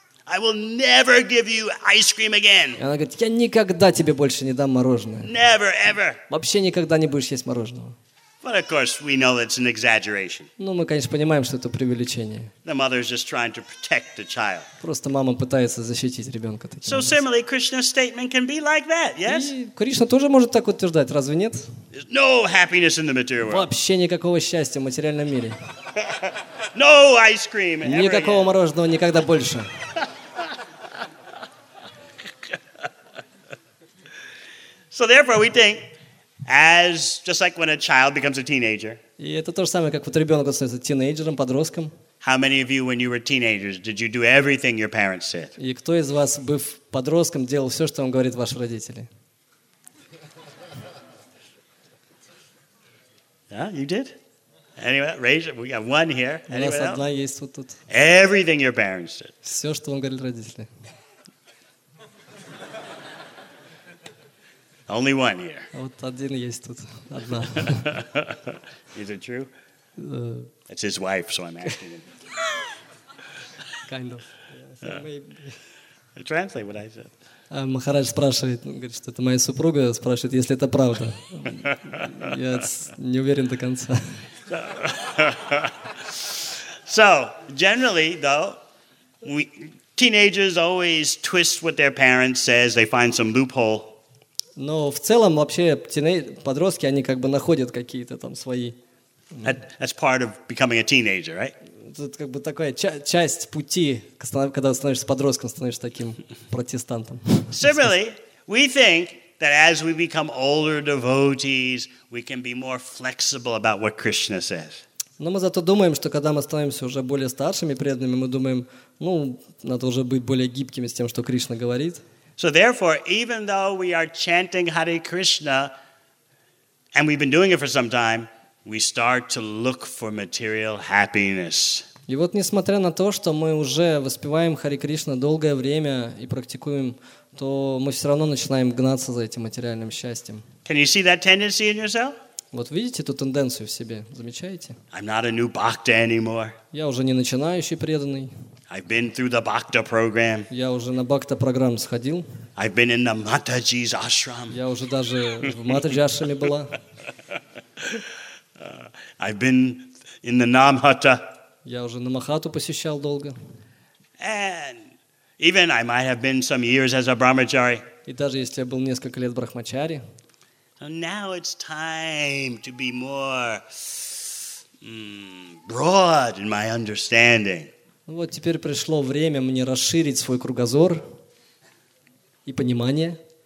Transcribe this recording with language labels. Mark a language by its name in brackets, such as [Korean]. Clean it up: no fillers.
[English] I will never give you ice cream again. [Russian] И она говорит, я никогда тебе больше не дам мороженое. [English] Never, ever. [Russian] Вообще никогда не будешь есть мороженого. [English] But of course, we know it's an exaggeration. [Russian] Ну, мы, конечно, понимаем, что это преувеличение. [English] The mother is just trying to protect the child. [Russian] Просто мама пытается защитить ребенка. [English] So similarly, Krishna's statement can be like that, yes? [Russian] И Кришна тоже может так утверждать, разве нет? [English] There's no happiness in the material world. [Russian] Вообще никакого счастья в материальном мире. [English] No ice cream ever. [Russian] Никакого мороженого никогда больше. [English] So therefore we think as just like when a child becomes a teenager. [Russian] И это то же самое, как вот ребёнок становится тинейджером, подростком. [English] How many of you when you were teenagers did you do everything your parents said? [Russian] И кто из вас, быв подростком, делал всё, что вам говорят ваши родители? [English] Yeah, you did? Anyway, raise it. We have one here. Anyone else? [Russian] У нас одна есть вот тут. [English] Everything your parents said. [Russian] Всё, что вам говорили родители. [English] Only one here. [Russian] Вот один есть тут. Одна. [English] Is it true? It's his wife, so I'm asking him. Kind of. Yeah. Translate what I said. [Russian] Махарадж спрашивает, говорит, что это моя супруга, спрашивает, если это правда. Я не уверен до конца. [English] So, generally, though, teenagers always twist what their parents says, they find some loophole. [Russian] Но в целом вообще подростки, они как бы находят какие-то там свои... [English] That's part of becoming a teenager, right? [Russian] Тут как бы такая часть пути, когда становишься подростком, становишься таким протестантом. [English] Similarly, we think that as we become older devotees, we can be more flexible about what Krishna says. [Russian] Но мы зато думаем, что когда мы становимся уже более старшими преданными, мы думаем, ну, надо уже быть более гибкими с тем, что Кришна говорит. [English] So therefore, even though we are chanting Hare Krishna, and we've been doing it for some time, we start to look for material happiness. [Russian] И вот несмотря на то, что мы уже воспеваем Хари Кришна долгое время и практикуем, то мы все равно начинаем гнаться за этим материальным счастьем. [English] Can you see that tendency in yourself? [Russian] Вот видите эту тенденцию в себе? Замечаете? [English] I'm not a new bhakta anymore. [Russian] Я уже не начинающий преданный. [English] I've been through the bhakta program. [Russian] Я уже на бхакта программу сходил. [English] I've been in the Mataji's ashram. [Russian] Я уже даже в Матаджи ашраме была. [English] I've been in the Namhata. [Russian] Я уже Намахату посещал долго. [English] And even I might have been some years as a brahmachari. [Russian] И даже если я был несколько лет брахмачари. [English] So now it's time to be more broad in my understanding. [Russian] Вот теперь пришло время мне расширить свой кругозор и понимание.